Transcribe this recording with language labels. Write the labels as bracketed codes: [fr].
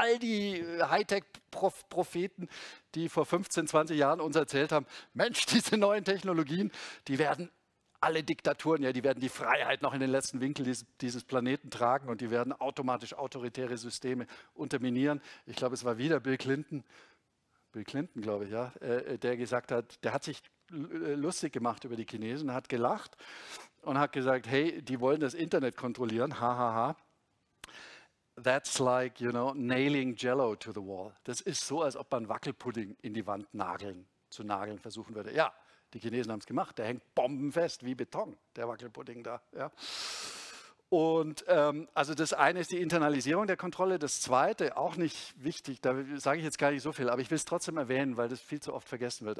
[de] All die Hightech-Propheten, die vor 15, 20 Jahren uns erzählt haben, Mensch, diese neuen Technologien, die werden alle Diktaturen, ja, die werden die Freiheit noch in den letzten Winkel dieses Planeten tragen und die werden automatisch autoritäre Systeme unterminieren. Ich glaube, es war wieder Bill Clinton, glaube ich, ja, der gesagt hat, der hat sich lustig gemacht über die Chinesen, hat gelacht und hat gesagt, hey, die wollen das Internet kontrollieren, ha, ha, ha. [en] That's like, you know, nailing Jello to the wall. [de] Das ist so, als ob man Wackelpudding in die Wand zu nageln versuchen würde. Ja, die Chinesen haben es gemacht, der hängt bombenfest wie Beton, der Wackelpudding da, ja. Und also das eine ist die Internalisierung der Kontrolle. Das zweite, auch nicht wichtig, da sage ich jetzt gar nicht so viel, aber ich will es trotzdem erwähnen, weil das viel zu oft vergessen wird.